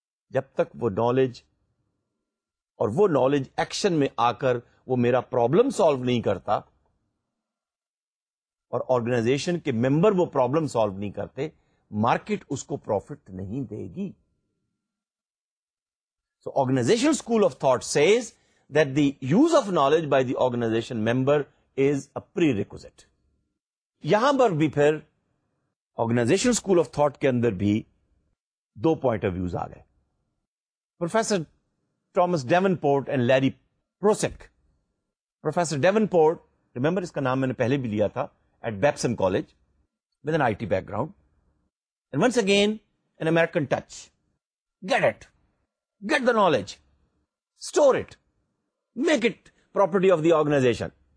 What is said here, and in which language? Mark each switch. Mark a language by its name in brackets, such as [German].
[Urdu] جب تک وہ نالج اور وہ نالج ایکشن میں آ کر وہ میرا پرابلم سالو نہیں کرتا اور آرگنائزیشن کے ممبر وہ پرابلم سالو نہیں کرتے, مارکیٹ اس کو پروفٹ نہیں دے گی. [English] So organization school of thought says that the use of knowledge by the organization member is a prerequisite. [Urdu] یہاں پر بھی پھر آرگنائزیشن اسکول آف تھاٹ کے اندر بھی دو پوائنٹ آف ویوز آ گئے. Professor Thomas Davenport and Larry پروسک. [English] professor Davenport, remember [Urdu] اس کا نام میں نے پہلے بھی لیا تھا, [English] At Babson college with an I T background, and once again an American touch, get it, get the knowledge, store it, make it property of the organization.